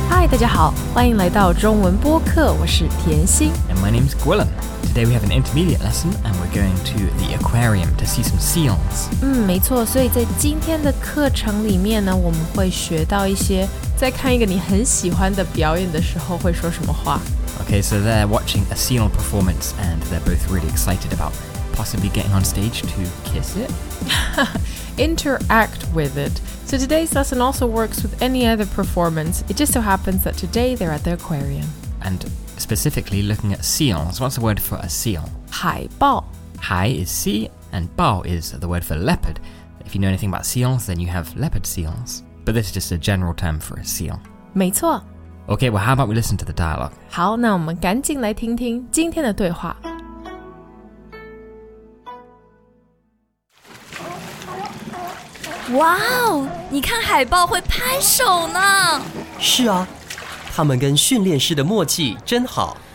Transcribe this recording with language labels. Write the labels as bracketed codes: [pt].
[zh] 大家好，欢迎来到中文播客，我是甜心。 [en] And my name is Gwilym. Today we have an intermediate lesson, and we're going to the aquarium to see some seals. [zh] 没错，所以在今天的课程里面呢，我们会学到一些在看一个你很喜欢的表演的时候会说什么话。 [en] Okay, so they're watching a seal performance, and they're both really excited about possibly getting on stage to kiss it. Interact with it. So today's lesson also works with any other performance. It just so happens that today they're at the aquarium. And specifically looking at seals, what's the word for a seal? [zh] 海豹。 [en] 海 is sea, and 豹 is the word for leopard. If you know anything about seals, then you have leopard seals. But this is just a general term for a seal. [zh] 没错。 [en] Okay, well how about we listen to the dialogue? [zh] 好，那我们赶紧来听听今天的对话。哇哦，你看海豹会拍手呢。是啊，他们跟训练师的默契真好。